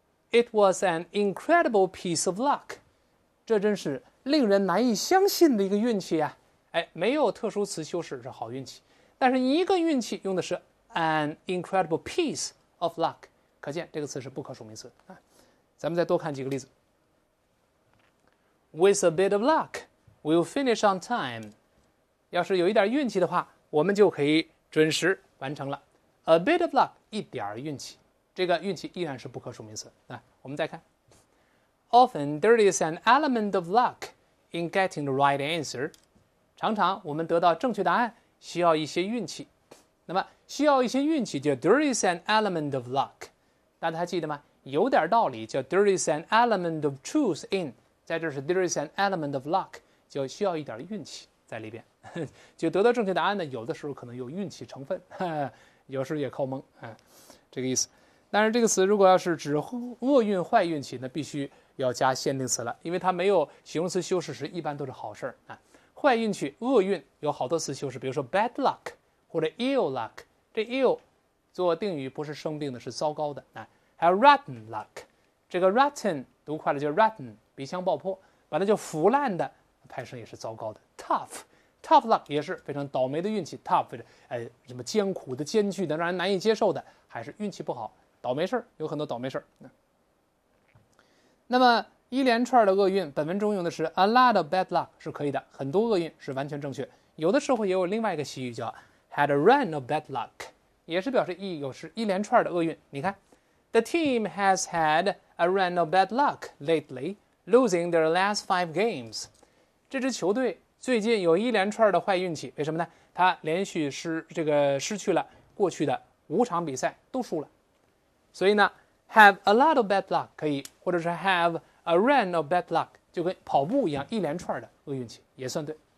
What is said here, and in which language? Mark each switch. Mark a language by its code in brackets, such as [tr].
[en] It was an incredible piece of luck， [zh] 这真是令人难以相信的一个运气啊、哎、没有特殊词修饰是好运气，但是一个运气用的是 [en] an incredible pieceof luck， [zh] 可见这个词是不可数名词、啊、咱们再多看几个例子。 [en] With a bit of luck we'll finish on time， [zh] 要是有一点运气的话我们就可以准时完成了。 [en] A bit of luck, [zh] 一点运气。这个运气依然是不可数名词。来，我们再看。 [en] Often, there is an element of luck in getting the right answer. [zh] 常常我们得到正确答案需要一些运气。那么需要一些运气叫 [en] There is an element of luck. [zh] 大家还记得吗？有点道理叫 [en] There is an element of truth in. [zh] 在这是 [en] There is an element of luck, [zh] 就需要一点运气在里边。就得到正确答案呢，有的时候可能有运气成分，有时候也靠蒙，这个意思。但是这个词如果要是指厄运坏运气，那必须要加限定词了，因为它没有形容词修饰时一般都是好事啊。坏运气厄运有好多词修饰，比如说 [en] bad luck [zh] 或者 [en] ill luck， [zh] 这 ill 做定语不是生病的，是糟糕的啊。还有 [en] rotten luck， [zh] 这个 rotten 读快了就 rotten， 鼻腔爆破，把它叫腐烂的，拍摄也是糟糕的。 [en] tough luck [zh] 也是非常倒霉的运气， tough 什么艰苦的艰巨的让人难以接受的，还是运气不好，倒霉事，有很多倒霉事。那么一连串的厄运，本文中用的是 [en] a lot of bad luck [zh] 是可以的，很多厄运是完全正确。有的时候也有另外一个习语叫 [en] had a run of bad luck， [zh] 也是表示一连串的厄运。你看 [en] The team has had a run of bad luck lately, losing their last five games. [zh] 这支球队最近有一连串的坏运气，为什么呢？他连续失去了过去的五场比赛都输了。所以呢 [en] have a lot of bad luck [zh] 可以，或者是 [en] have a run of bad luck [zh] 就跟跑步一样，一连串的恶运气也算对。